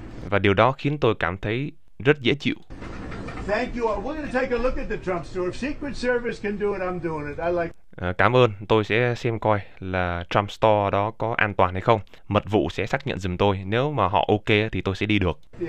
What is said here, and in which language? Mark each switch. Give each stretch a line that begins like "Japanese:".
Vietnamese: Và điều đó khiến tôi cảm thấy rất dễ chịu.
English: Thank you all. We're going to take a look at the Trump store. If Secret Service can do it, I'm doing it. I like.
Vietnamese: Cảm ơn. Tôi sẽ xem coi là Trump store đó có an toàn hay không. Mật vụ sẽ xác nhận giùm tôi. Nếu mà họ ok thì tôi sẽ đi được.